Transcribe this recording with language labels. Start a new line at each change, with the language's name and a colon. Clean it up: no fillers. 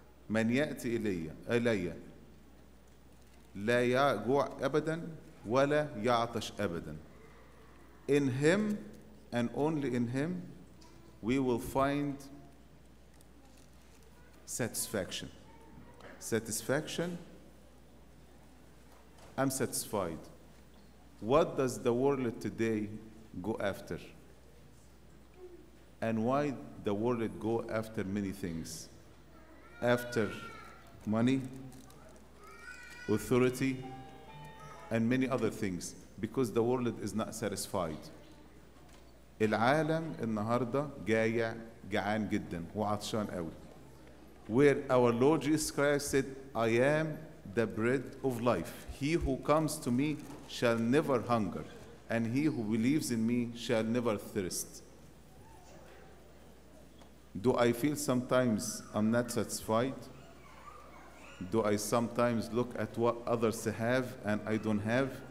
Arabic: من يأتي إلي لا يجوع أبدا ولا يعطش أبدا.
English: In Him and only in Him we will find satisfaction. Satisfaction, I'm satisfied. What does the world today go after? And why the world go after many things? After money, authority, and many other things, because the world is not satisfied.
Arabic: العالم النهاردة جايع جعان جدا وعطشان قوي.
English: Where our Lord Jesus Christ said, I am the bread of life. He who comes to me shall never hunger, and he who believes in me shall never thirst. Do I feel sometimes I'm not satisfied? Do I sometimes look at what others have and I don't have?